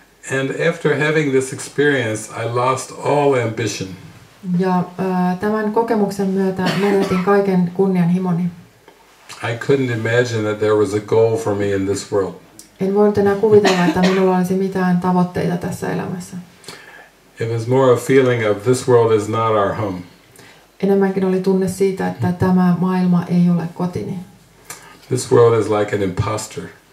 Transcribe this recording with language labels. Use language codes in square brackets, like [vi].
[en] And after having this experience, I lost all ambition. [fi] Ja tämän kokemuksen myötä menetin kaiken kunnianhimoni. [en] I couldn't imagine that there was a goal for me in this world. [fi] En voinut enää kuvitella, että minulla olisi mitään tavoitteita tässä elämässä. [en] It was more a feeling of this world is not our home. [fi] Enemmänkin oli tunne siitä, että tämä maailma ei ole kotini. [en] This world is like an imposter.